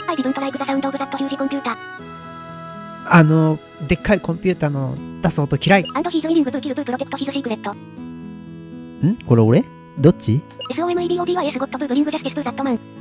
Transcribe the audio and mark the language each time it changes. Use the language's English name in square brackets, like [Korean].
[English] I didn't like the sound of that huge computer. [Japanese] あの、でっかいコンピューターの出す音嫌い。 [English] And he's willing to kill to protect his secret. [Japanese] ん？これ俺？どっち？ [English] SOMEDODYS got to bring justice to that man.